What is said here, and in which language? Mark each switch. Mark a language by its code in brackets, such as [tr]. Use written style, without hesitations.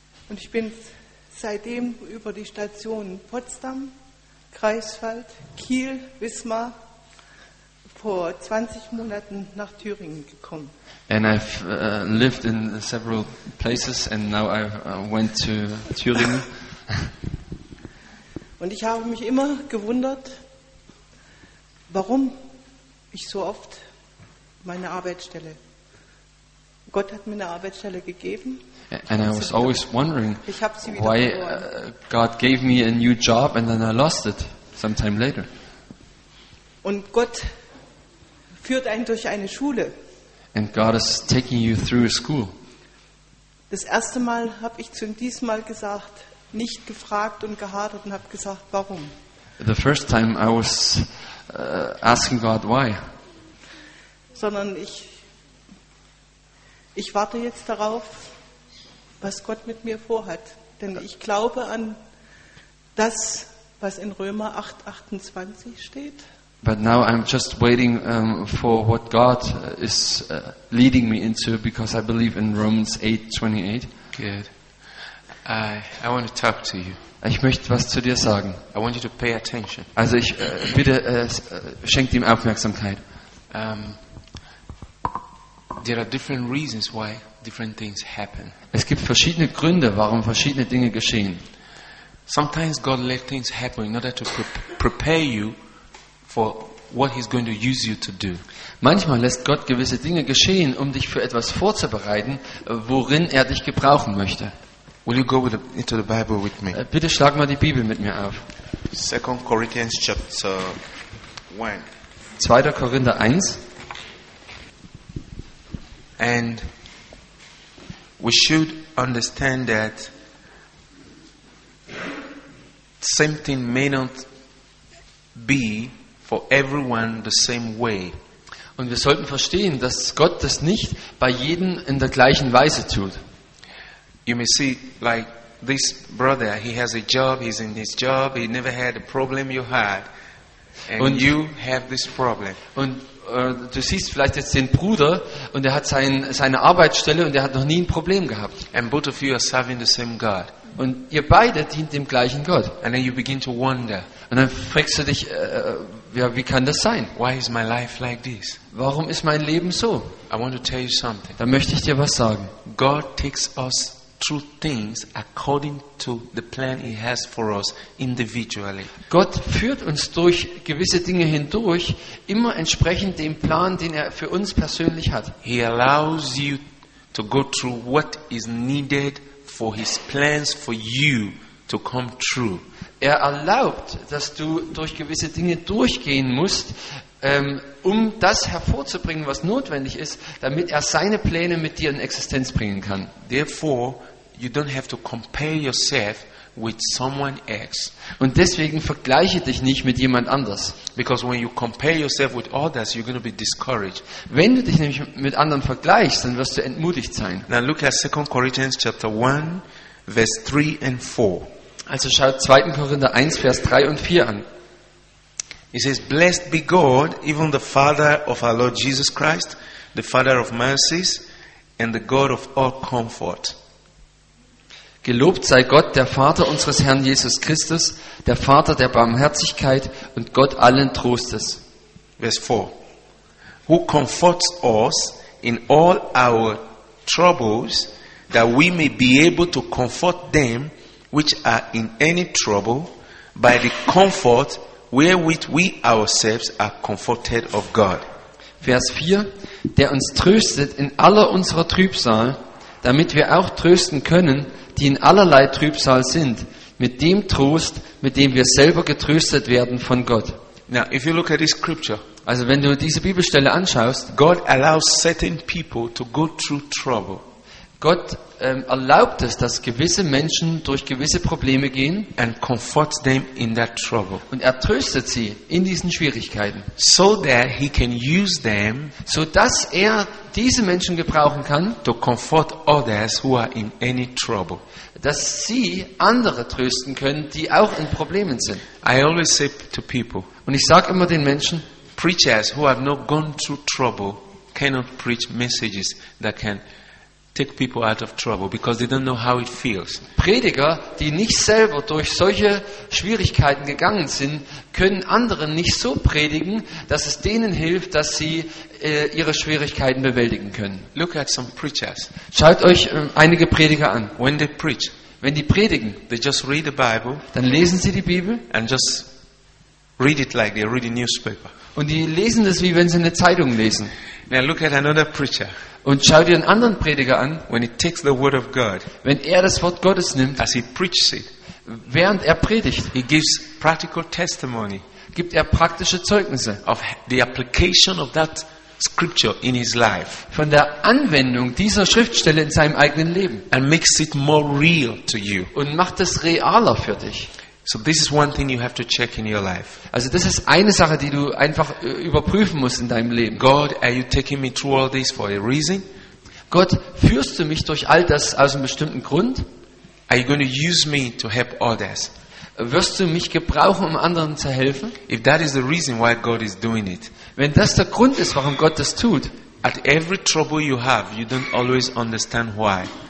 [de] Und ich bin seitdem über die Stationen Potsdam, Greifswald, Kiel, Wismar vor 20 Monaten nach Thüringen gekommen. [en] And I've lived in several places and now I went to Thüringen. [de] Und ich habe mich immer gewundert, warum ich so oft meine Arbeitsstelle. Gott hat mir eine Arbeitsstelle gegeben. [en] And I was always wondering why God gave me a new job and then I lost it sometime later. [de] Und Gott führt einen durch eine Schule. [en] And God is taking you through a school. [de] Das erste Mal habe ich zu ihm diesmal gesagt, nicht gefragt und gehadert und habe gesagt, warum. [en] The first time I was asking God why. [de] Sondern ich warte jetzt darauf, was Gott mit mir vorhat. Denn ich glaube an das, was in Römer 8:28 steht. [en] But now I'm just waiting for what God is leading me into, because I believe in Romans 8:28. Good. I want to talk to you. [de] Ich möchte was zu dir sagen. [en] I want you to pay attention. [de] Also ich bitte, schenkt ihm Aufmerksamkeit. [en] There are different reasons why different things happen. [de] Es gibt verschiedene Gründe, warum verschiedene Dinge geschehen. [en] Sometimes God let things happen in order to prepare you for what he's going to use you to do. [de] Manchmal lässt Gott gewisse Dinge geschehen, um dich für etwas vorzubereiten, worin er dich gebrauchen möchte. [en] Will you go with into the Bible with me? [de] Bitte schlag mal die Bibel mit mir auf. [en] 2 Corinthians chapter 1. [de] 2. Korinther 1. [en] And we should understand that same thing may not be for everyone the same way. [de] Und wir sollten verstehen, dass Gott das nicht bei jedem in der gleichen Weise tut. [en] You may see, like this brother, he has a job, he's in his job, he never had a problem you had, and [de] und [en] you have this problem. [de] Und du siehst vielleicht jetzt den Bruder und er hat seine Arbeitsstelle und er hat noch nie ein Problem gehabt. [en] And both of you are serving the same God. [de] Und ihr beide dient dem gleichen Gott. [en] And then you begin to wonder. [de] Und dann fragst du dich, ja, wie kann das sein? [en] Why is my life like this? [de] Warum ist mein Leben so? [en] I want to tell you something. [de] Da möchte ich dir was sagen. [en] God takes us through things according to the plan he has for us individually. [de] Gott führt uns durch gewisse Dinge hindurch, immer entsprechend dem Plan, den er für uns persönlich hat. [en] He allows you to go through what is needed for his plans for you to come true. [de] Er erlaubt, dass du durch gewisse Dinge durchgehen musst, um das hervorzubringen, was notwendig ist, damit er seine Pläne mit dir in Existenz bringen kann. [en] Therefore, you don't have to compare yourself with someone else. [de] Und deswegen vergleiche dich nicht mit jemand anders. [en] Because when you compare yourself with others, you're going to be discouraged. [de] Wenn du dich nämlich mit anderen vergleichst, dann wirst du entmutigt sein. [en] Now look at 2 Corinthians chapter 1, verse 3 and 4. [de] Also schau 2. Korinther 1, Vers 3 und 4 an. [en] He says, "Blessed be God, even the Father of our Lord Jesus Christ, the Father of mercies, and the God of all comfort." [de] Gelobt sei Gott, der Vater unseres Herrn Jesus Christus, der Vater der Barmherzigkeit und Gott allen Trostes. [en] Verse 4. Who comforts us in all our troubles, that we may be able to comfort them which are in any trouble, by the comfort wherewith we ourselves are comforted of God. [de] Vers 4. Der uns tröstet in aller unserer Trübsal, damit wir auch trösten können, die in allerlei Trübsal sind, mit dem Trost, mit dem wir selber getröstet werden von Gott. [en] Now, if you look at this scripture, [de] also wenn du diese Bibelstelle anschaust, [en] God allows certain people to go through trouble. [de] Gott erlaubt es, dass gewisse Menschen durch gewisse Probleme gehen [en] and comforts them in that trouble. [de] Und er tröstet sie in diesen Schwierigkeiten, [en] so that he can use them, [de] so dass er diese Menschen gebrauchen kann, [en] to comfort others who are in any trouble. [de] Dass sie andere trösten können, die auch in Problemen sind. [en] I always say to people, [de] und ich sage immer den Menschen, [en] preachers who have not gone through trouble cannot preach messages that can take people out of trouble, because they don't know how it feels. [de] Prediger, die nicht selber durch solche Schwierigkeiten gegangen sind, können anderen nicht so predigen, dass es denen hilft, dass sie ihre Schwierigkeiten bewältigen können. [en] Look at some preachers. [de] Schaut euch einige Prediger an. [en] When they preach, [de] wenn die predigen, [en] they just read the Bible, [de] dann lesen sie die Bibel [en] and just read it like they read a newspaper. [de] Und die lesen das, wie wenn sie eine Zeitung lesen. [en] Now look at another preacher. [de] Und schau dir einen anderen Prediger an, [en] when he takes the word of God, [de] wenn er das Wort Gottes nimmt, [en] as he preaches it, [de] während er predigt, [en] he gives practical testimony, [de] gibt er praktische Zeugnisse [en] of the application of that scripture in his life, [de] von der Anwendung dieser Schriftstelle in seinem eigenen Leben, [en] and makes it more real to you, [de] und macht es realer für dich. [en] So this is one thing you have to check in your life. [de] Also das ist eine Sache, die du einfach überprüfen musst in deinem Leben. [en] God, are you taking me through all this for a reason? [de] Gott, führst du mich durch all das aus einem bestimmten Grund? [en] Are you going to use me to help others? [de] Wirst du mich gebrauchen, um anderen zu helfen? [en] If that is the reason why God is doing it. [de] Wenn das der Grund ist, warum Gott das tut. [en] At every trouble you have, you don't always understand why.